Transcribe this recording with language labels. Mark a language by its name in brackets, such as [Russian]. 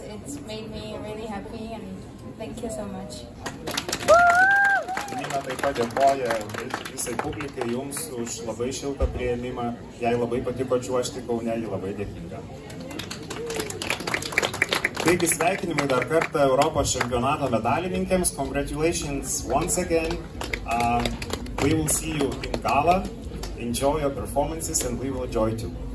[English] it made me really happy and thank you so much. [Lithuanian] Nina taip pat dėkoja visai publikai jums už labai šiltą priėmimą. Jai labai patiko čiuošti Kaune, ji labai dėkinga. Taigi sveikinimai dar kartą Europos čempionato medalininkėms. [English] Congratulations once again. We will see you in gala. Enjoy your performances and we will enjoy too.